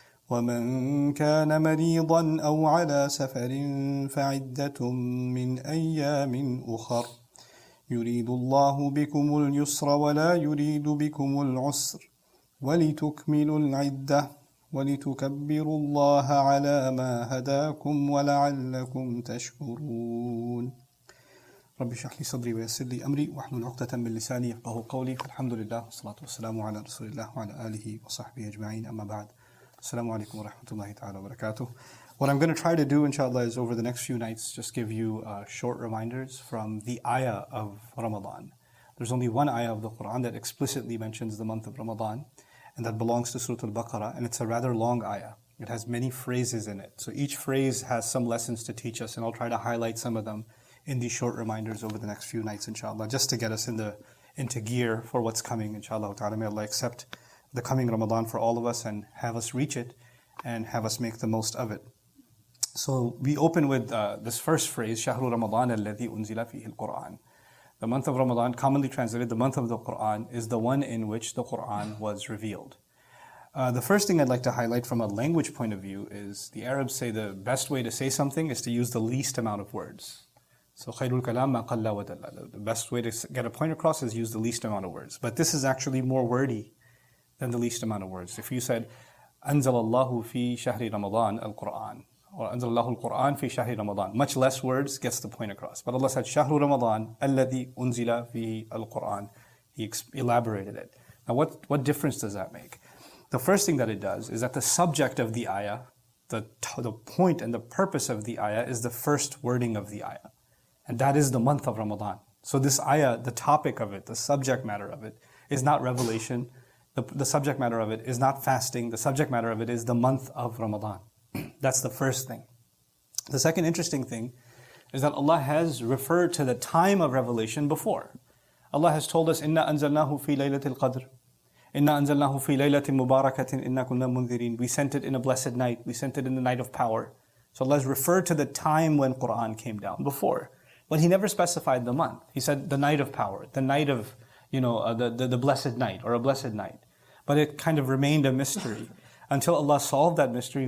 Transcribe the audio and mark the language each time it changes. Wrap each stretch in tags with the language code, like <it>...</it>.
<ar>ومن كان مريضا أو على سفر فعدة من أيام أخر يريد الله بكم اليسر ولا يريد بكم العسر ولتكملوا العدة ولتكبروا الله على ما هداكم ولعلكم تشكرون رب اشرح لي صدري ويسر لي أمري واحلل عقدة من لساني يفقهوا قولي الحمد لله والصلاة والسلام على رسول الله وعلى آله وصحبه أجمعين أما بعد السلام عليكم ورحمة الله تعالى وبركاته.</ar> <en>What I'm going to try to do, inshallah, is over the next few nights, just give you short reminders from the ayah of Ramadan. There's only one ayah of the Qur'an that explicitly mentions the month of Ramadan, and that belongs to Surah Al-Baqarah, and it's a rather long ayah. It has many phrases in it. So each phrase has some lessons to teach us, and I'll try to highlight some of them in these short reminders over the next few nights, inshallah, just to get us into gear for what's coming, inshallah. May Allah accept the coming Ramadan for all of us and have us reach it, and have us make the most of it. So we open with this first phrase,</en> <ar>شهر رمضان الذي أنزل فيه القرآن.</ar> <en>The month of Ramadan, commonly translated the month of the Qur'an, is the one in which the Qur'an was revealed. The first thing I'd like to highlight from a language point of view is the Arabs say the best way to say something is to use the least amount of words. So</en> <ar>خير الكلام ما قل ودل.</ar> <en>The best way to get a point across is use the least amount of words. But this is actually more wordy than the least amount of words. If you said,</en> <ar>أنزل الله في شهر رمضان القرآن</ar> <en>or</en> <ar>أنزل الله القرآن في شهر رمضان,</ar> <en>much less words gets the point across. But Allah said</en> <ar>شهر رمضان الذي أنزل في القرآن.</ar> <en>He elaborated it. Now what difference does that make? The first thing that it does is that the subject of the ayah, the point and the purpose of the ayah is the first wording of the ayah. And that is the month of Ramadan. So this ayah, the topic of it, the subject matter of it, is not revelation. The subject matter of it is not fasting. The subject matter of it is the month of Ramadan. That's the first thing. The second interesting thing is that Allah has referred to the time of revelation before. Allah has told us,</en> <ar>إِنَّا أَنزَلْنَاهُ فِي لَيْلَةِ الْقَدْرِ إِنَّا أَنزَلْنَاهُ فِي لَيْلَةِ مُبَارَكَةٍ إِنَّا كُنَّا مُنذِرِينَ.</ar> <en>We sent it in a blessed night. We sent it in the night of power. So Allah has referred to the time when Quran came down before. But He never specified the month. He said the night of power, the night of the blessed night or a blessed night. But it kind of remained a mystery until Allah solved that mystery.</en>